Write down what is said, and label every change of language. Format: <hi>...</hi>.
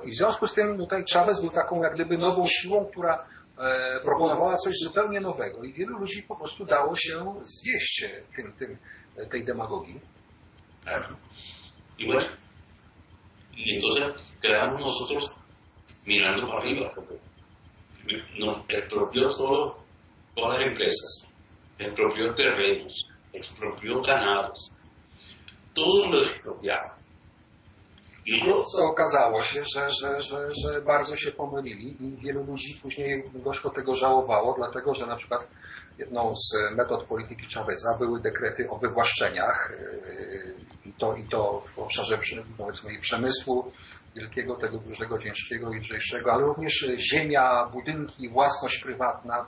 <pl>I w związku z tym tutaj Chávez był taką jak gdyby nową siłą, która proponowała coś zupełnie nowego. I wielu ludzi po prostu dało się zwieść tej demagogii.</pl> <es>I bueno, Y entonces creamos nosotros mirando para arriba. Expropió todas las empresas, expropió terrenos, expropió canales. Todo lo expropiaba.</es> <pl>Co okazało się, że bardzo się pomylili i wielu ludzi później gorzko tego żałowało, dlatego że na przykład jedną z metod polityki Chaveza były dekrety o wywłaszczeniach i to w obszarze powiedzmy przemysłu wielkiego, tego dużego, ciężkiego i lżejszego, ale również ziemia, budynki, własność prywatna.</pl>